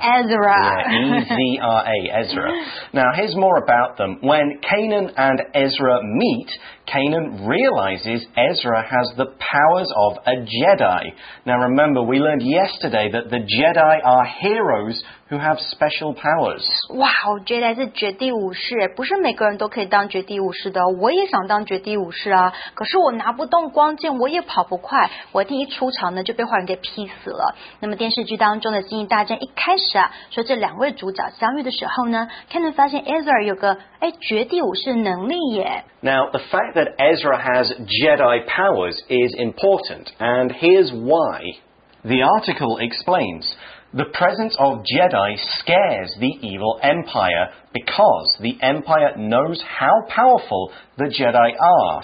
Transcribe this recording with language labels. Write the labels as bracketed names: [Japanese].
[English] Ezra. E-Z-R-A, Ezra. Now here's more about them. When Kanan and Ezra meet... Kanan realizes Ezra has the powers of a Jedi. Now remember, we learned yesterday that the Jedi are heroes who have special powers. [Chinese] Wow, Jedi 是绝地武士，不是每个人都可以当绝地武士的。我也想当绝地武士啊，可是我拿不动光剑，我也跑不快，我一出场呢就被坏人给劈死了。那么电视剧当中的星际大战一开始啊，说这两位主角相遇的时候呢， Kanan 发现 Ezra 有个绝地武士能力耶。 [English] Now, the fact that Ezra has Jedi powers is important, and here's why. The article explains, the presence of Jedi scares the evil Empire because the Empire knows how powerful the Jedi are.